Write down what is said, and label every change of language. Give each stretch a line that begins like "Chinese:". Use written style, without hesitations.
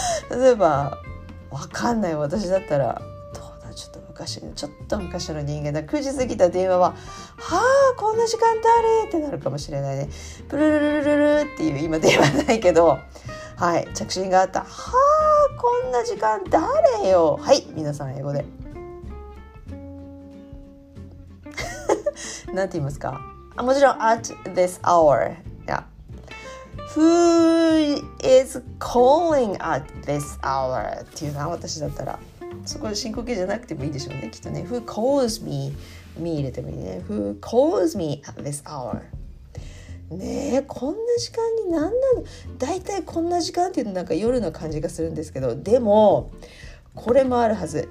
Japanese: 例えば、わかんない私だったら、どうだ、ちょっと昔の人間だ、9時過ぎた電話は、はあこんな時間だれってなるかもしれないね。プルルルルルルっていう、今電話ないけど、はい、着信があった、はあこんな時間だれよ、はい、皆さん英語でなんて言いますか。あ、もちろん
English: at this hour、Who is calling at this hour?
Japanese: っていうな、私だったら。そこで深呼吸じゃなくてもいいでしょうね、きっとね。
English: Who calls me?
Japanese: Me 入れてもいいね。
English: Who calls me at this hour?
Japanese: ねえ、こんな時間に何なの？大体こんな時間っていうのなんか夜の感じがするんですけど、でも、これもあるはず。